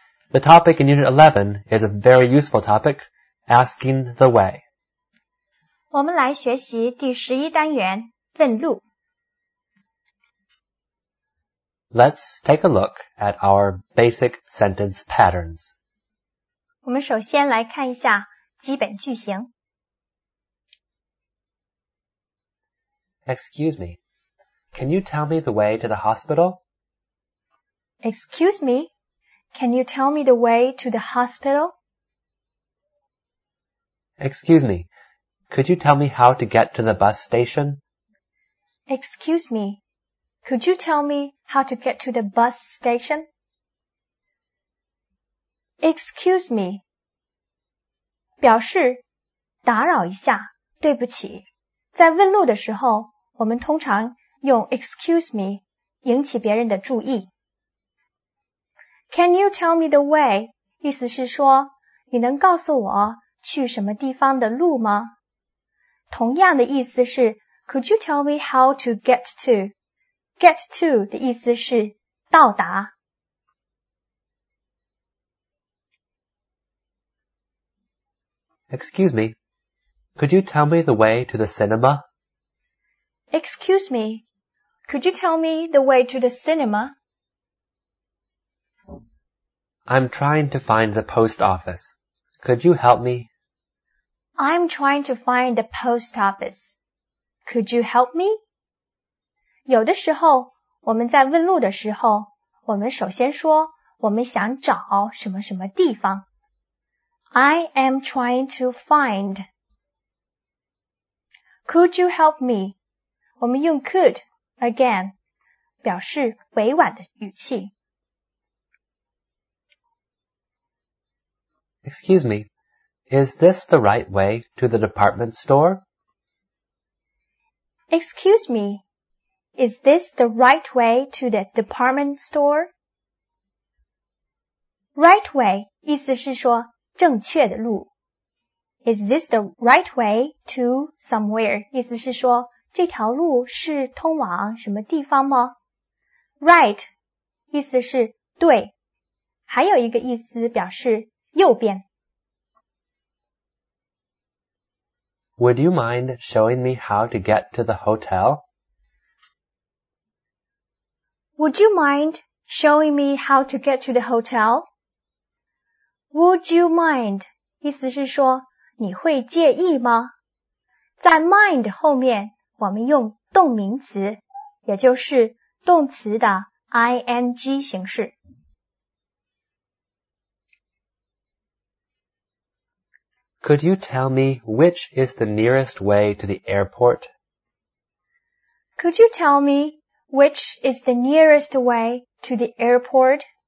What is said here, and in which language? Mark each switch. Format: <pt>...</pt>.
<en>The topic in Unit 11 is a very useful topic, asking the way.</en> <zh>我们来学习第十一单元，问路。</zh> <en>Let's take a look at our basic sentence patterns.</en> <zh>我们首先来看一下基本句型。</zh> <en>Excuse me. Can you tell me the way to the hospital? Excuse me, can you tell me the way to the hospital? Excuse me, could you tell me how to get to the bus station? Excuse me, could you tell me how to get to the bus station? Excuse me.</en> <zh>表示打扰一下，对不起。在问路的时候，我们通常用 excuse me 引起别人的注意。</zh> <en>Can you tell me the way?</en> <zh>意思是说，你能告诉我去什么地方的路吗？同样的意思是</zh> <en>Could you tell me how to get to?</en> <zh>Get to 的意思是到达。</zh> <en>Excuse me, could you tell me the way to the cinema? Excuse me. Could you tell me the way to the cinema? I'm trying to find the post office. Could you help me? I'm trying to find the post office. Could you help me?</en> <zh>有的时候，我们在问路的时候，我们首先说我们想找什么什么地方。</zh> <en>I am trying to find. Could you help me?</en> <zh>我们用 could. Again, 表示委婉的语气。</zh> <en>Excuse me, is this the right way to the department store? Excuse me, is this the right way to the department store?</en> <zh>Right way 意思是说正确的路。</zh> <en>Is this the right way to somewhere?</en> <zh>意思是说这条路是通往什么地方吗？</zh> <en>Right,</en> <zh>意思是对。还有一个意思表示右边。</zh> <en>Would you mind showing me how to get to the hotel? Would you mind showing me how to get to the hotel? Would you mind,</en> <zh>意思是说你会介意吗？在 mind 后面我们用动名词，也就是动词的 ing 形式。</zh> <en>Could you tell me which is the nearest way to the airport? Could you tell me which is the nearest way to the airport?</en>